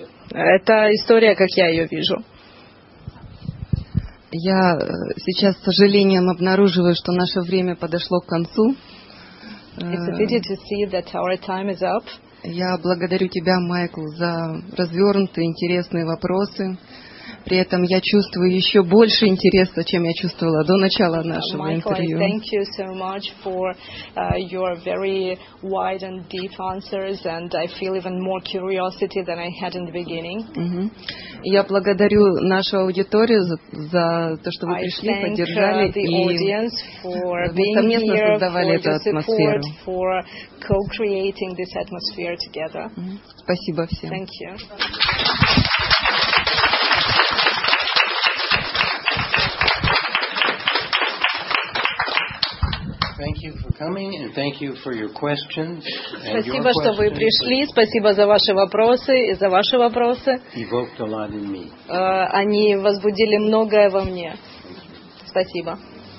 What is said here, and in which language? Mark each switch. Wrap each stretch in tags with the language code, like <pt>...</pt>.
<ru>Это история, как я ее вижу. Я сейчас с сожалением обнаруживаю, что наше время подошло к концу.</ru> <en>It's a pity to see that our time is up.</en> <ru>Я благодарю тебя, Майкл, за развернутые интересные вопросы. При этом я чувствую еще больше интереса, чем я чувствовала до начала нашего интервью.</ru> <en>Майкл, thank you so much for your very wide and deep answers, and I feel even more curiosity than I had in the beginning.</en> <ru>Я благодарю нашу аудиторию за то, что вы пришли, поддержали и совместно создавали эту атмосферу.</ru> <en>For co-creating this atmosphere together.</en> <ru>Спасибо всем.</ru> <en>Thank you. Thank you for coming and thank you for your questions.</en> <ru>Спасибо, что вы пришли. Спасибо за ваши вопросы и за ваши вопросы.</ru> <en>Evoked a lot in me.</en> <ru>Они возбудили многое во мне. Спасибо.</ru>